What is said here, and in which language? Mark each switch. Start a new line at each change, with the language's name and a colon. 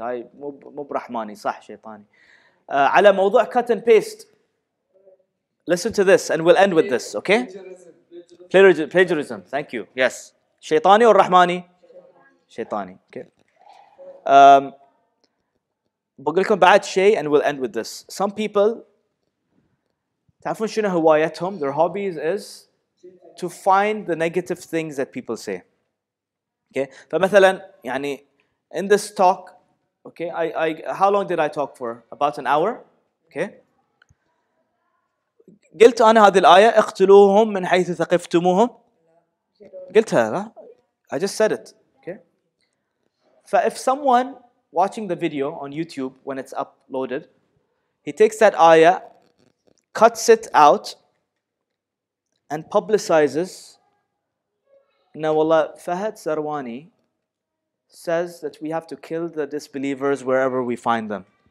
Arabic: هاي مو برحماني صح شيطاني. على موضوع
English: cut and paste. Listen to this, and we'll end with this, okay? Plagiarism. Thank you. Yes. شيطاني or رحماني? شيطاني. Okay.
Arabic: بقول لكم بعد شيء
English: and we'll end with this. Some people
Arabic: تعرفون شنو هوايتهم,
English: their hobbies is to find the negative things that people say. Okay, فمثلا يعني in this talk, okay, I how long did I talk for? About an hour.
Arabic: Okay, قلت أنا هذه الآية اقتلوهم من حيث ثقفتموهم, قلتها,
English: I just said it. If someone watching the video on YouTube when it's uploaded, he takes that ayah, cuts it out, and publicizes, now wallah, Fahad Sarwani says that we have to kill the disbelievers wherever we find them.